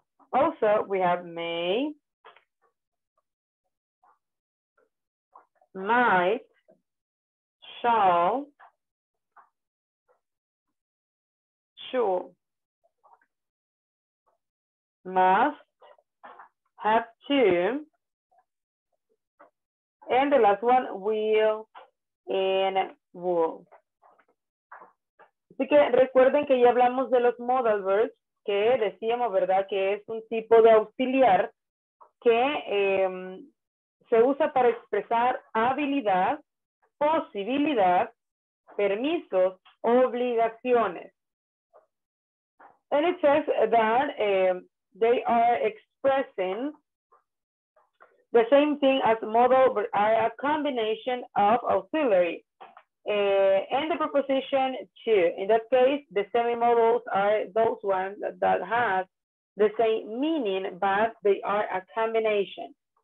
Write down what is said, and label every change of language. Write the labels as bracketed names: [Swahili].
[English] Also, we have may, might, shall, sure, must, have to, and the last one, will and will. [Spanish] Así que recuerden que ya hablamos de los modal verbs, que decíamos, ¿verdad?, que es un tipo de auxiliar que se usa para expresar habilidad, posibilidad, permisos, obligaciones. [English] And it says that they are expressing the same thing as modal, are a combination of auxiliary and the preposition to. In that case, the semi-modals are those ones that have the same meaning, but they are a combination.